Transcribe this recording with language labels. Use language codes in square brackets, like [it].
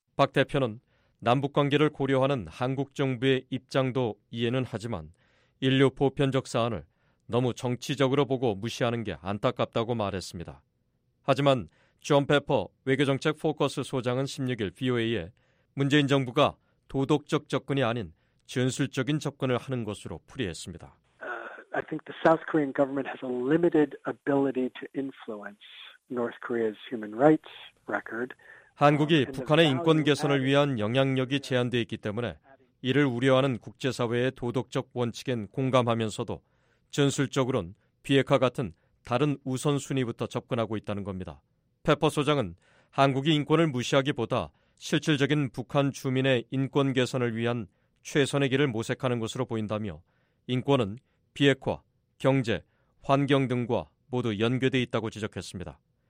[ko] 박 대표는 남북관계를 고려하는 한국 정부의 입장도 이해는 하지만 인류 보편적 사안을 너무 정치적으로 보고 무시하는 게 안타깝다고 말했습니다. 하지만 존 페퍼 외교정책 포커스 소장은 16일 VOA에 문재인 정부가 도덕적 접근이 아닌 전술적인 접근을 하는 것으로 풀이했습니다. [en] I think the South Korean government has a limited ability to influence North Korea's human rights record. [ko] 한국이 북한의 인권 개선을 위한 영향력이 제한되어 있기 때문에 이를 우려하는 국제사회의 도덕적 원칙엔 공감하면서도 전술적으로는 비핵화 같은 다른 우선순위부터 접근하고 있다는 겁니다. 페퍼 소장은 한국이 인권을 무시하기보다 실질적인 북한 주민의 인권 개선을 위한 최선의 길을 모색하는 것으로 보인다며 인권은 비핵화, 경제, 환경 등과 모두 연계돼 있다고 지적했습니다.